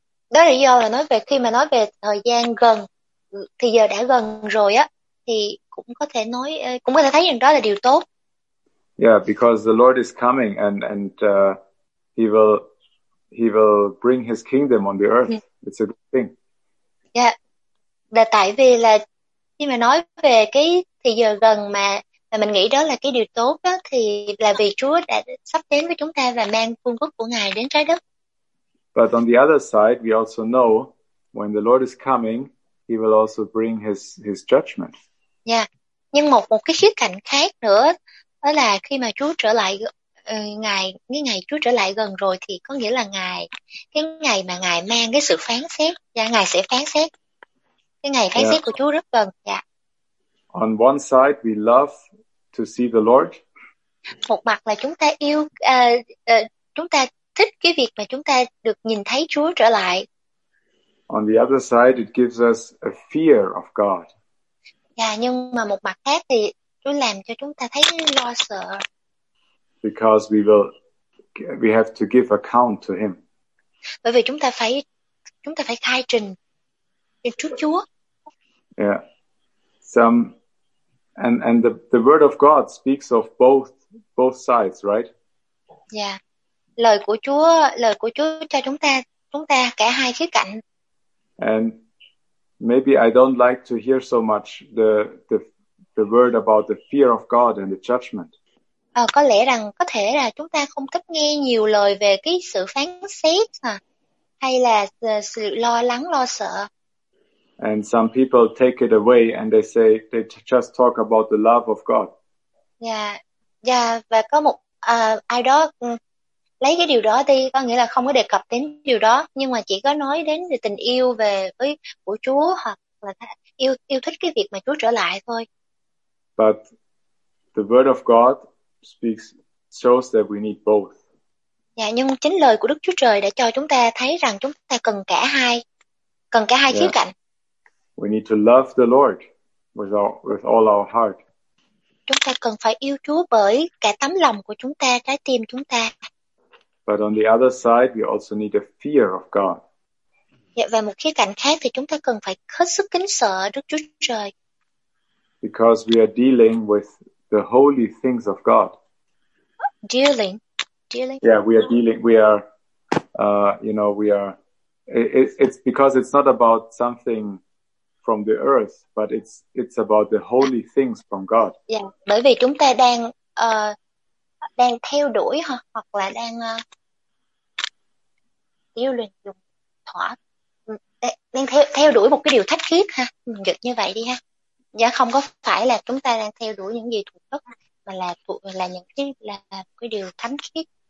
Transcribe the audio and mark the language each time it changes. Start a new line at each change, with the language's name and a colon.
Vietnamese: Đó là lý do là nói về khi mà nói về thời gian gần thì giờ đã gần rồi á, thì cũng có thể thấy rằng đó là điều tốt.
English: Yeah, because the Lord is coming and He will bring his kingdom on the earth. Yeah. It's a good thing. Yeah.
Vietnamese: Là tại vì là khi mà nói về cái thì giờ gần mà mình nghĩ đó là cái điều tốt đó, thì là vì Chúa đã sắp đến với chúng ta và mang vương quốc của Ngài đến trái đất.
English: But on the other side, we also know when the Lord is coming, he will also bring his judgment. Yeah.
Vietnamese: Nhưng một cái khía cạnh khác nữa đó là khi mà Chúa trở lại, ngày Chúa trở lại gần rồi thì có nghĩa là ngày mang cái sự phán xét, và Ngài sẽ phán xét. Cái ngày phán xét của Chúa rất gần.
English: Yeah. On one side we love to see the Lord.
Vietnamese: Một mặt là chúng ta yêu chúng ta thích cái việc mà chúng ta được nhìn thấy Chúa trở lại.
English: On the other side it gives us a fear of God.
Vietnamese: Yeah, nhưng mà một mặt khác thì Chúa làm cho chúng ta thấy lo sợ.
English: Because we have to give account to him.
Vietnamese: Bởi vì chúng ta phải khai trình trước Chúa.
English: Yeah. Some and the word of God speaks of both sides, right? Yeah.
Vietnamese: Lời của Chúa cho chúng ta cả hai khía cạnh.
English: And maybe I don't like to hear so much the the word about the fear of God and the judgment.
Vietnamese: Có lẽ rằng có thể là chúng ta không thích nghe nhiều lời về cái sự phán xét hay là sự lo lắng lo sợ.
English: And some people take it away and they say they just talk about the love of God. Yeah, yeah.
Vietnamese: Và có một ai đó lấy cái điều đó đi, có nghĩa là không có đề cập đến điều đó, nhưng mà chỉ có nói đến tình yêu về với của Chúa hoặc là yêu thích cái việc mà Chúa trở lại thôi.
English: But the word of God speaks shows that we need both.
Vietnamese: Dạ, nhưng chính lời của Đức Chúa Trời đã cho chúng ta thấy rằng chúng ta cần cả hai khía cạnh.
English: We need to love the Lord with all our heart.
Vietnamese: Chúng ta cần phải yêu Chúa bởi cả tấm lòng của chúng ta, trái tim chúng ta.
English: But on the other side, we also need a fear of God.
Vietnamese: Dạ, và một khía cạnh khác thì chúng ta cần phải hết sức kính sợ Đức Chúa Trời.
English: Because we are dealing with the holy things of God. Dealing. Yeah, we are dealing. We are, you know, we are. It's because it's not about something from the earth, but it's about the holy things from God.
Vietnamese: Yeah, bởi vì chúng ta đang đang theo đuổi hoặc là đang dealing dùng thỏa đang theo đuổi một cái điều thách khiết ha, dịch như vậy đi ha. Dạ, không có phải là chúng ta đang theo đuổi những gì thuộc đất mà là những cái là cái điều thánh khiết.